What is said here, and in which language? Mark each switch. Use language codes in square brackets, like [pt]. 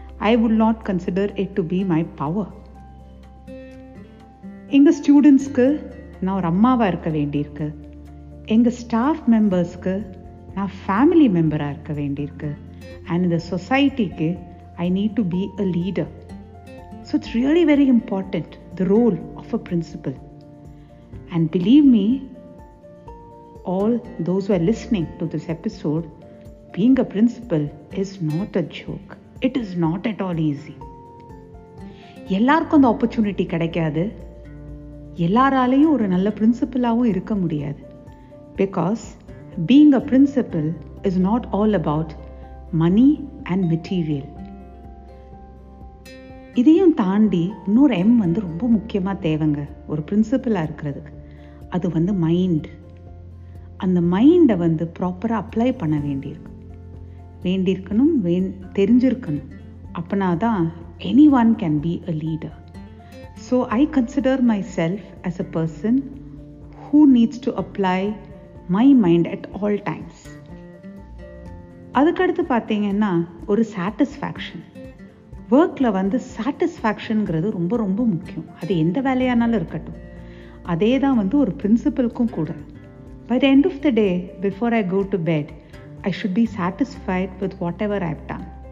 [en] I would not consider it to be my power. [ta] எங்க ஸ்டூடெண்ட்ஸ்க்கு நான் ஒரு அம்மாவாக இருக்க வேண்டியிருக்கு. எங்கள் ஸ்டாஃப் மெம்பர்ஸ்க்கு நான் ஃபேமிலி மெம்பராக இருக்க வேண்டியிருக்கு. [en] And இந்த சொசைட்டிக்கு I need to be a leader. So it's really very important, the role of a principal. And believe me, all those who are listening to this episode, being a principal is not a joke. It is not at all easy. [ta] எல்லாருக்கும் அந்த opportunity கிடைக்காது. எல்லாராலையும் ஒரு நல்ல பிரின்சிபலாகவும் இருக்க முடியாது. [en] Because being a principal is not all about money and material. [ta] இதையும் தாண்டி இன்னொரு எம் வந்து ரொம்ப முக்கியமாக தேவைங்க ஒரு பிரின்சிபலாக இருக்கிறதுக்கு. அது வந்து மைண்ட். அந்த மைண்டை வந்து ப்ராப்பராக அப்ளை பண்ண வேண்டியிருக்கு, வேண்டியிருக்கணும், தெரிஞ்சிருக்கணும். அப்படின்னாதான் [en] Any one can be a leader. So I consider myself as a person who needs to apply my mind at all times. [ta] அதுக்கடுத்து பார்த்தீங்கன்னா, ஒரு சாட்டிஸ்ஃபேக்ஷன். ஒர்க்கில் வந்து சாட்டிஸ்ஃபேக்ஷனுங்கிறது ரொம்ப ரொம்ப முக்கியம். அது எந்த வேலையானாலும் இருக்கட்டும், அதே தான் வந்து ஒரு பிரின்சிபலுக்கும் கூட. [en] By the end of the day, before I go to bed, I should be satisfied with whatever I've done.